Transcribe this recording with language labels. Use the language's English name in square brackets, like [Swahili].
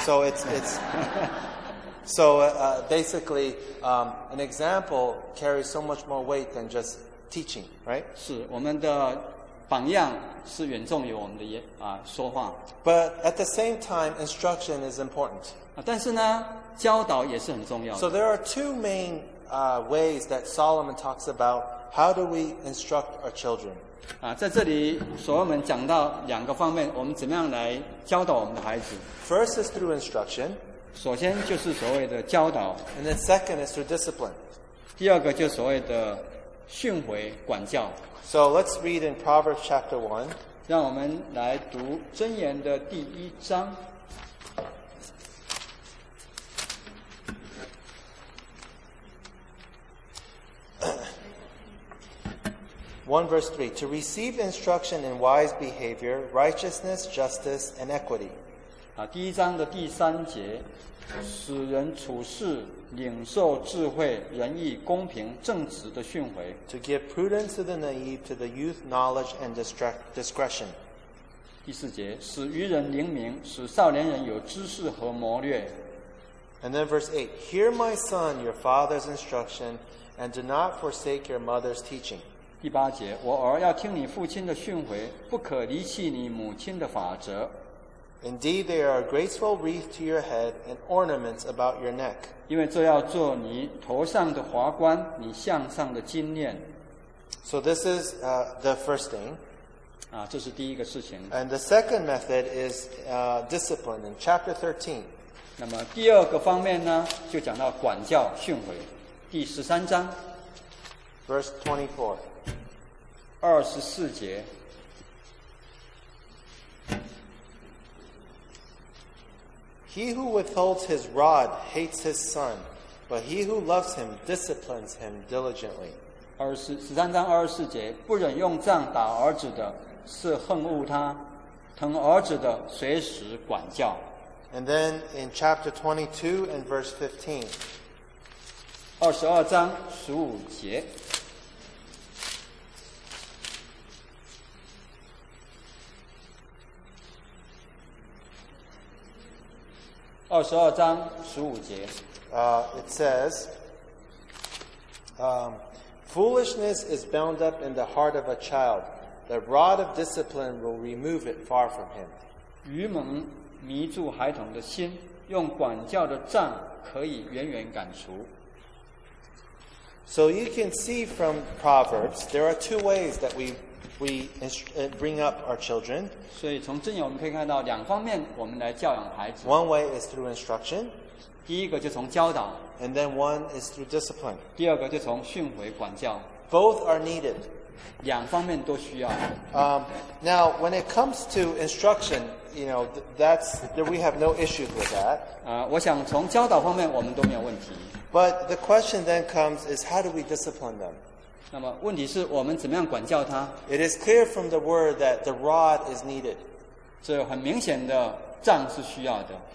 [English] So it's, so basically, an example carries so much more weight than just teaching, right? [Chinese] 是我们的榜样是远重于我们的说话。 [English] But at the same time, instruction is important. [Chinese] 但是呢教导也是很重要的。 [English] So there are two main ways that Solomon talks about how do we instruct our children. [Chinese] 在这里所罗门讲到两个方面我们怎么样来教导我们的孩子。 [English] First is through instruction. [Chinese] 首先就是所谓的教导。 [English] And then second is through discipline. [Chinese] 第二个就是所谓的训诲管教。 [English] So let's read in Proverbs chapter 1. [Chinese] 让我们来读箴言的第一章。 [English] 1 verse 3, to receive instruction in wise behavior, righteousness, justice, and equity. [Chinese] 第一章的第三节，使人处事，领受智慧，仁义，公平，正直的训诲。 [English] To give prudence to the naive, to the youth, knowledge, and discretion. [Chinese] 第四节，使愚人灵明，使少年人有知识和谋略。 [English] And then verse 8, hear my son, your father's instruction, and do not forsake your mother's teaching. [Chinese] 第八节，我儿要听你父亲的训诲，不可离弃你母亲的法则。 [English] Indeed, they are a graceful wreath to your head and ornaments about your neck. [Chinese] 因为这要做你头上的华冠，你项上的金链。 [English] So this is the first thing. [Chinese] 这是第一个事情。 [English] And the second method is discipline in chapter 13. [Chinese] 那么第二个方面呢，就讲到管教训诲，第十三章 [English] ，verse 24. [Chinese] 二十四节。 [English] He who withholds his rod hates his son, but he who loves him disciplines him diligently. [Chinese] 十三章二十四节，不忍用杖打儿子的，是恨恶他；疼儿子的，随时管教。 [English] And then in chapter 22 and verse 15. [Chinese] 二十二章十五节。二十二章十五节。 [English] It says, foolishness is bound up in the heart of a child. The rod of discipline will remove it far from him. [Chinese] 愚蒙迷住孩童的心，用管教的杖可以远远赶除。 [English] So you can see from Proverbs, there are two ways that we bring up our children. [Chinese] 所以从箴言我们可以看到两方面我们来教养孩子。 [English] One way is through instruction. [Chinese] 第一个就从教导。 [English] And then one is through discipline. [Chinese] 第二个就从训诲管教。 [English] Both are needed. [Chinese] 两方面都需要。 [English] Now, when it comes to instruction, you know, that we have no issues with that. [Chinese] 我想从教导方面我们都没有问题。 [English] But the question then comes is how do we discipline them? [Chinese] 那么问题是我们怎么样管教他? [English] It is clear from the word that the rod is needed. [Chinese] 这很明显的杖是需要的。